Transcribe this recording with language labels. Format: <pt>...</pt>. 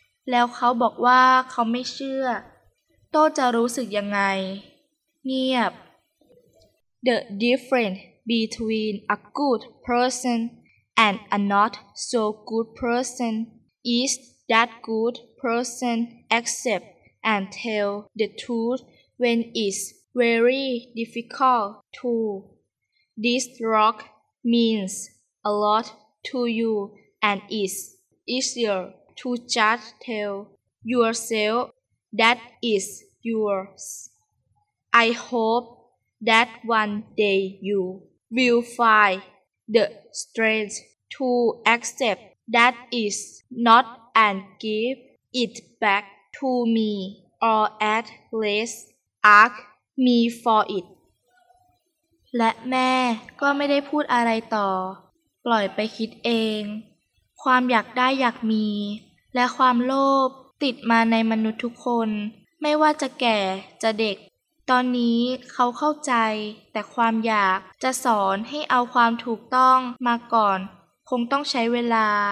<th>แล้วเขาบอกว่าเขาไม่เชื่อโต้จะรู้สึกยังไงเงียบ</th> <en>The differenceBetween a good person and a not so good person is that good person accept and tell the truth when it's very difficult to. This rock means a lot to you and it's easier to just tell yourself that it's yours. I hope that one day youwill find the strength to accept that is not and give it back to me. or at least ask me for it</en> <th>และแม่ก็ไม่ได้พูดอะไรต่อปล่อยไปคิดเองความอยากได้อยากมีและความโลภติดมาในมนุษย์ทุกคนไม่ว่าจะแก่จะเด็กตอนนี้เขาเข้าใจแต่ความอยากจะสอนให้เอาความถูกต้องมาก่อนคงต้องใช้เวลา</th>